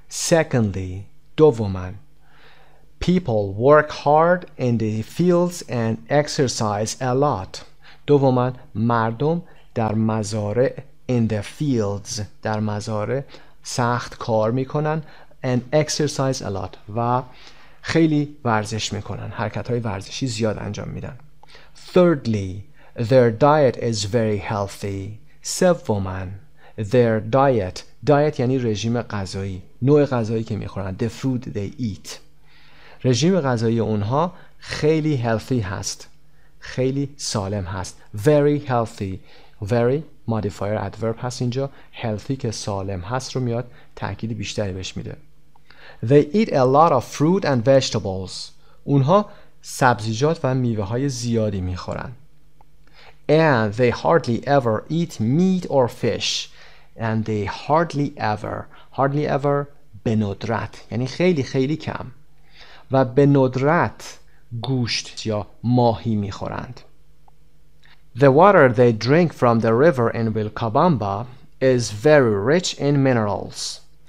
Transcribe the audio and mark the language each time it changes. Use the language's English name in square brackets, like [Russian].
[English] Secondly, [Persian] دومن [English] People work hard in the fields and exercise a lot. [Persian] دومن مردم در مزارع In the fields, در مزارع سخت کار میکنن [English] and exercise a lot [Persian] و خیلی ورزش میکنن. حرکت های ورزشی زیاد انجام میدن. [English] Thirdly, their diet is very healthy. [Persian] سومن, their diet. Diet یعنی رژیم غذایی. نوع غذایی که میخورن. [English] The food they eat. [Persian] رژیم غذایی اونها خیلی healthy هست. خیلی سالم هست. Very healthy. [English] Very modifier adverb [Persian] هست اینجا. healthy که سالم هست رو میاد تأکید بیشتری بهش میده. [English] They eat a lot of fruit and vegetables. [Persian] اونها سبزیجات و میوه های زیادی میخورن. [English] And they hardly ever eat meat or fish. And they hardly ever. [Persian] Hardly ever به ندرت. یعنی خیلی خیلی کم. و به ندرت گوشت یا ماهی می خورند. [English] The water they drink from the river in Vilcabamba is very rich in minerals.